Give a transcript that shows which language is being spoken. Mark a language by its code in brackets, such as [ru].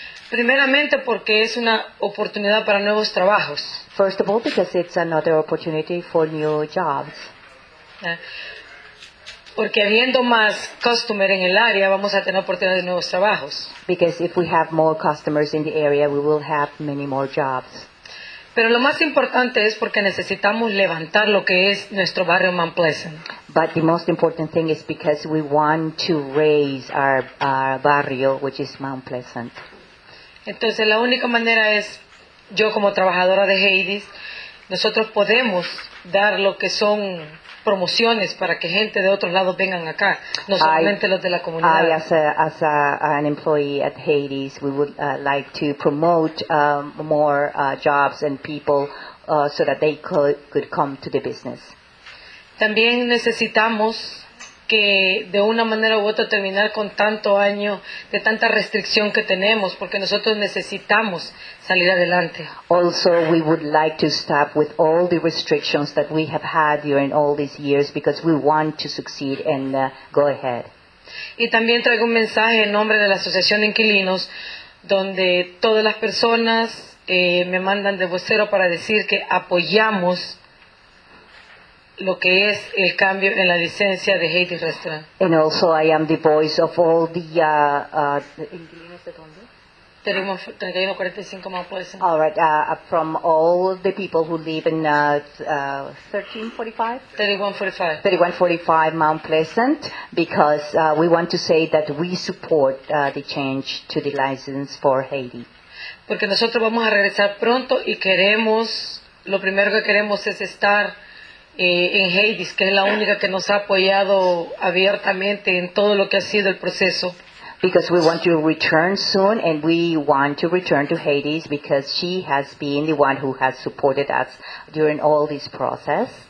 [es] Primeramente porque es una oportunidad para nuevos trabajos. [en] First of all, because it's another opportunity for new jobs. [es] Porque habiendo más customers en el área, vamos a tener oportunidades de nuevos trabajos. [en] Because if we have more customers in the area, we will have many more jobs. [es] Pero lo más importante es porque necesitamos levantar lo que es nuestro barrio Mount Pleasant. [en] But the most important thing is because we want to raise our barrio, which is Mount Pleasant. [es] Entonces la única manera es, yo como trabajadora de Haiti's, nosotros podemos dar lo que son promociones para que gente de otros lados vengan acá, no solamente los de la comunidad. [en] As an employee at Haiti's, we would like to promote more jobs and people so that they could come to the business. [es] También necesitamos que de una manera u otra terminar con tanto año de tanta restricción que tenemos, porque nosotros necesitamos salir adelante. [en] Also, we would like to stop with all the restrictions that we have had during all these years because we want to succeed and go ahead. [es] Y también traigo un mensaje en nombre de la Asociación de Inquilinos, donde todas las personas me mandan de vocero para decir que apoyamos lo que es el cambio en la licencia de Haiti Restaurant. [en] And also I am the voice of all the [es] inquilinos de donde? 3145 [en] All right, from all the people who live in 3145 Mount Pleasant, because we want to say that we support the change to the license for Haiti. [es] Porque nosotros vamos a regresar pronto y queremos, lo primero que queremos es estar en Haiti's, que es la única que nos ha apoyado abiertamente en todo lo que ha sido el proceso. [en] Because we want to return soon, and we want to return to Haiti's because she has been the one who has supported us during all this process.